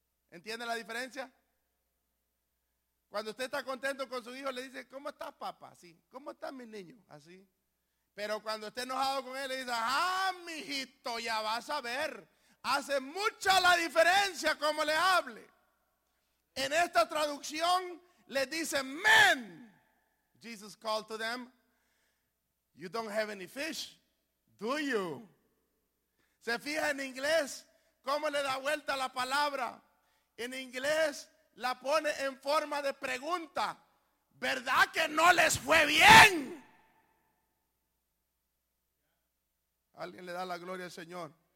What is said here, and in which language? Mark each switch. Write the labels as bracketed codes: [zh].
[es] ¿Entiende la diferencia? Cuando usted está contento con su hijo, le dice, ¿cómo estás, papá? Así. ¿Cómo estás, mi niño? Así. Pero cuando esté enojado con él, le dice, ¡ah, mijito, ya vas a ver! Hace mucha la diferencia cómo le hable. En esta traducción, le dice, ¡men! [en] Jesus called to them, you don't have any fish, do you? [es] ¿Se fija en inglés cómo le da vuelta la palabra? En inglés, la pone en forma de pregunta. ¿Verdad que no les fue bien? Alguien le da la gloria al Señor.